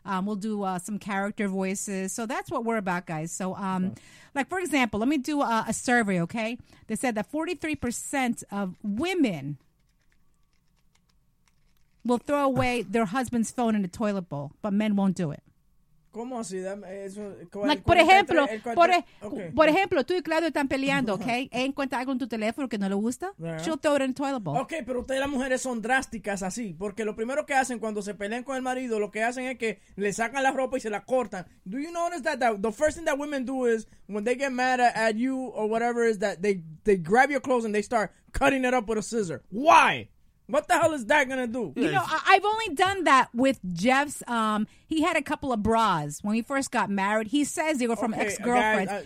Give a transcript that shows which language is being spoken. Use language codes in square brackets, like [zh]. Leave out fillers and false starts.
[en] We'll do some character voices. So that's what we're about, guys. So like, for example, let me do a survey, okay? They said that 43% of women will throw away their husband's phone in the toilet bowl, but men won't do it. [es] ¿Cómo así? Por ejemplo, tú y Claudio están peleando, ¿ok? Él encuentra algo en tu teléfono que no le gusta, yo te abro en el toilet bowl. Ok, pero ustedes las mujeres son drásticas así, porque lo primero que hacen cuando se pelean con el marido, lo que hacen es que le sacan la ropa y se la cortan. [en] Do you notice that the first thing that women do is, when they get mad at you or whatever, is that they grab your clothes and they start cutting it up with a scissor. Why? What the hell is that going to do? You know, I've only done that with Jeff's. He had a couple of bras when he first got married. He says they were from ex-girlfriends.